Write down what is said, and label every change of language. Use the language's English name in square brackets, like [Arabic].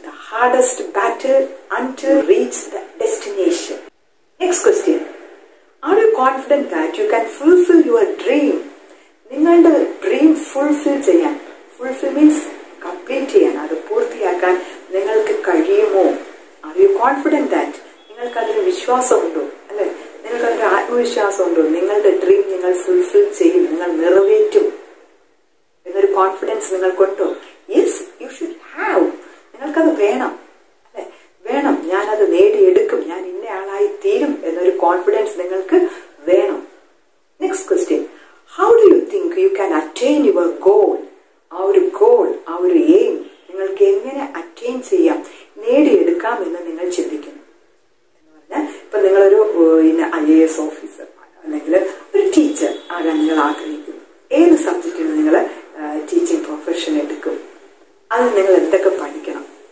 [English] hardest battle until you reach the destination. Next question. Are you confident that you can fulfill your dream? [Malayalam] നിങ്ങളുടെ dream fulfil ചെയ്യാൻ, fulfil means complete ചെയ്യാൻ, അത് പൂർത്തിയാക്കാൻ നിങ്ങൾക്ക് കഴിയുമോ? [English] Are you confident that? [Malayalam] നിങ്ങൾക്കതൊരു വിശ്വാസമുണ്ടോ? അല്ലെ, നിങ്ങൾക്കതൊരു ആത്മവിശ്വാസമുണ്ടോ? നിങ്ങളുടെ ഡ്രീം നിങ്ങൾ ഫുൾഫിൽ ചെയ്യും, നിങ്ങൾ നിറവേറ്റും എന്നൊരു confidence നിങ്ങൾക്കുണ്ടോ? [English] Yes, you should have. [Malayalam] നിങ്ങൾക്കത് വേണം, അല്ലെ, വേണം. ഞാനത് നേടിയെടുക്കും, ഞാൻ ഇന്ന ആളായി തീരും എന്നൊരു കോൺഫിഡൻസ് നിങ്ങൾക്ക് വേണം. [English] Next question. How do you think you can attain your goal? Our goal, our aim, [Malayalam] നിങ്ങൾക്ക് എങ്ങനെ അറ്റൈൻ ചെയ്യാം, നേടിയെടുക്കാം എന്ന് നിങ്ങൾ ചിന്തിക്കുന്നു എന്ന് പറഞ്ഞാൽ, ഇപ്പൊ നിങ്ങളൊരു IAS ഓഫീസർ അല്ലെങ്കിൽ ഒരു ടീച്ചർ ആകാൻ നിങ്ങൾ ആഗ്രഹിക്കുന്നു. ഏത് സബ്ജക്റ്റിൽ നിങ്ങൾ ടീച്ചിങ് പ്രൊഫഷൻ എടുക്കും? അത് നിങ്ങൾ എന്തൊക്കെ പഠിക്കണം?